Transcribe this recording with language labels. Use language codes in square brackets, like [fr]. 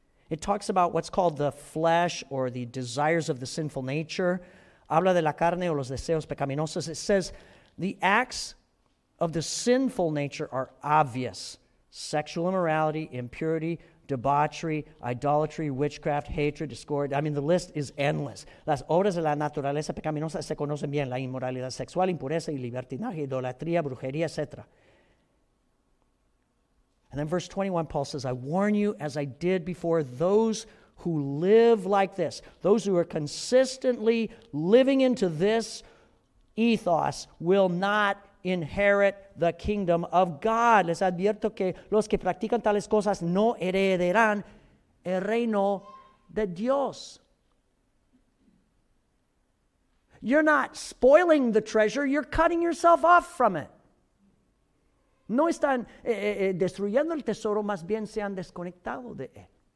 [en] It talks about what's called the flesh or the desires of the sinful nature. [es] Habla de la carne o los deseos pecaminosos. [en] It says the acts of the sinful nature are obvious. Sexual immorality, impurity, debauchery, idolatry, witchcraft, hatred, discord. I mean, the list is endless. [es] Las obras de la naturaleza pecaminosa se conocen bien. La inmoralidad sexual, impureza y libertinaje, idolatría, brujería, etc. [en] And then verse 21, Paul says, I warn you, as I did before, those who live like this, those who are consistently living into this ethos will not inherit the kingdom of God. [es] Les advierto que los que practican tales cosas no heredarán el reino de Dios. [en] You're not spoiling the treasure, you're cutting yourself off from it. [es] No están destruyendo el tesoro, más bien se han desconectado de él.